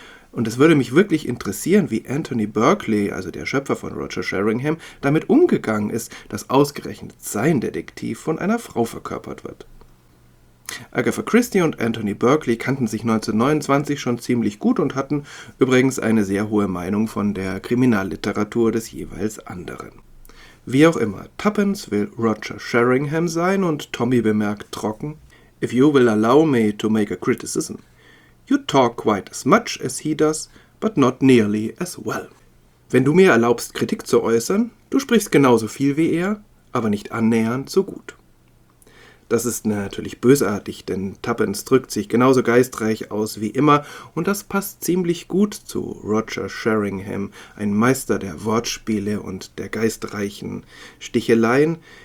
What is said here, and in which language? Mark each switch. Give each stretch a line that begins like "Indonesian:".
German: Und es würde mich wirklich interessieren, wie Anthony Berkeley, also der Schöpfer von Roger Sheringham, damit umgegangen ist, dass ausgerechnet sein Detektiv von einer Frau verkörpert wird. Agatha Christie und Anthony Berkeley kannten sich 1929 schon ziemlich gut und hatten übrigens eine sehr hohe Meinung von der Kriminalliteratur des jeweils anderen. Wie auch immer, Tuppence will Roger Sheringham sein und Tommy bemerkt trocken:
English: "If you will allow me to make a criticism, you talk quite as much as he does, but not nearly as well."
German: Wenn du mir erlaubst, Kritik zu äußern, du sprichst genauso viel wie er, aber nicht annähernd so gut. Das ist natürlich bösartig, denn Tuppence drückt sich genauso geistreich aus wie immer und das passt ziemlich gut zu Roger Sheringham, ein Meister der Wortspiele und der geistreichen Sticheleien.